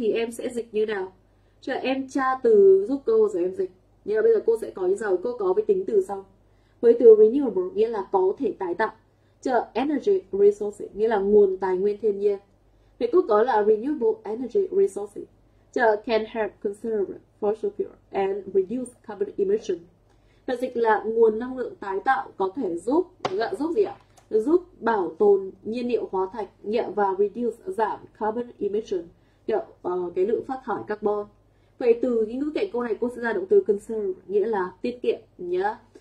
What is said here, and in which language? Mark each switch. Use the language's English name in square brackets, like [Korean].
[Vietnamese] Thì em sẽ dịch như nào? Cho em tra từ giúp cô rồi em dịch. Nhưng mà bây giờ cô sẽ có như sau, cô có với tính từ sau. Với từ renewable nghĩa là có thể tái tạo. Chờ energy resources nghĩa là nguồn tài nguyên thiên nhiên. Thì cô có là renewable energy resources. [English] Chờ can help conserve fossil fuel and reduce carbon emission. [Vietnamese] Và dịch là nguồn năng lượng tái tạo có thể giúp, gọi giúp gì ạ? Giúp bảo tồn nhiên liệu hóa thạch nhẹ và reduce giảm carbon emission, kiểu cái lượng phát thải carbon. Vậy từ những ngữ cảnh câu này cô sẽ ra động từ conserve nghĩa là tiết kiệm nhé.